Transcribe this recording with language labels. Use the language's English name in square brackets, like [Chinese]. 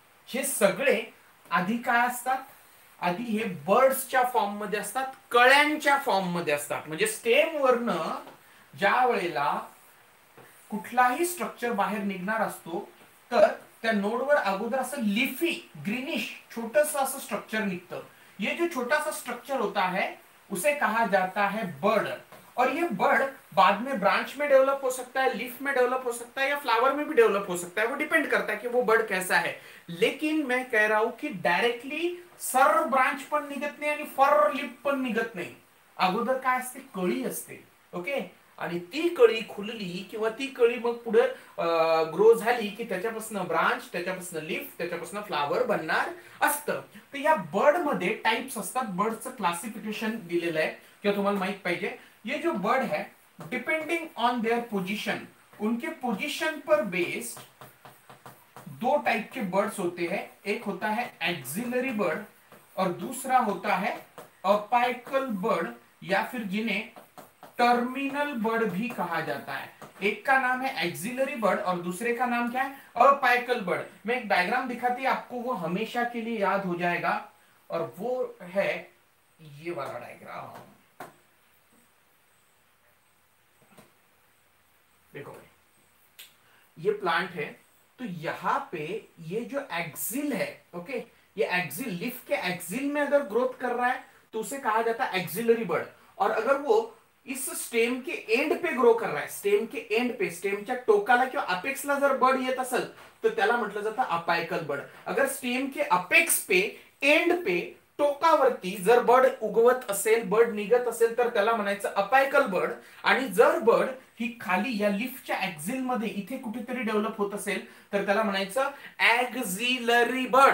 [Marathi] हे सगळे आधी काय असतात? आधी हे बर्ड्सच्या फॉर्म मध्ये असतात, कळ्यांच्या फॉर्म मध्ये असतात. म्हणजे स्टेम वरन ज्या वेळेला कुठलाही स्ट्रक्चर बाहेर निघणार असतो, तर त्या नोडवर अगोदर असं लिफी ग्रीनिश छोटस असं स्ट्रक्चर निघतं. [Hindi] ये जो छोटासा स्ट्रक्चर होता है उसे कहा जाता है बर्ड. और ये बर्ड बाद में ब्रांच में डेवलप हो सकता है, लीफ में डेवलप हो सकता है, या फ्लावर में भी डेवलप हो सकता है. वो डिपेंड करता है कि वो बर्ड कैसा है. लेकिन मैं कह रहा हूं कि डायरेक्टली सर ब्रांच पर निगत नहीं, यानी फर लिप पर निगत नहीं, [Marathi] अगोदर काय असते? कळी असते. ओके, आणि ती कळी खुलली किंवा ती कळी मग पुढे ग्रो झाली की त्याच्यापासून ब्रांच, त्याच्यापासून लीफ, त्याच्यापासून फ्लावर बनणार असतं. तर या बर्ड मध्ये टाइप्स असतात, बर्डचं क्लासिफिकेशन दिलेलं आहे किंवा तुम्हाला माहित पाहिजे. [Hindi] ये जो बर्ड है, डिपेंडिंग ऑन देअर पोजिशन, उनके पोजिशन पर बेस्ड दो टाइप के बर्ड्स होते हैं. एक होता है एक्सिलरी बर्ड और दूसरा होता है अपाइकल बर्ड, या फिर जिन्हें टर्मिनल बर्ड भी कहा जाता है. एक का नाम है एक्सिलरी बर्ड और दूसरे का नाम क्या है? Apical bird. मैं एक डायग्राम दिखाती आपको, वो हमेशा के लिए याद हो जाएगा, और वो है ये वाला डायग्राम. देखो ये प्लांट है, तो यहां पे ये जो एक्सिल है, ओके, ये एक्सिल लीफ के एक्सिल में अगर ग्रोथ कर रहा है तो उसे कहा जाता है एक्सिलरी बर्ड. और अगर वो इस स्टेम के एंड पे [Marathi] ग्रो कर रहा है, स्टेम के एंड पे, स्टेम च्या टोकाला किंवा अपेक्सला जर बर्ड येत असेल, तर त्याला म्हटलं जातं अपायकल बर्ड. [Hindi] अगर स्टेम के अपेक्स पे, एंड पे, [Marathi] टोकावरती जर बर्ड उगवत असेल, बर्ड निघत असेल, तर त्याला म्हणायचं अपायकल बर्ड. आणि जर बर्ड ही खाली या लीफच्या एक्झिल मध्ये इथे कुठेतरी डेव्हलप होत असेल, तर त्याला म्हणायचं एक्झिलरी बर्ड.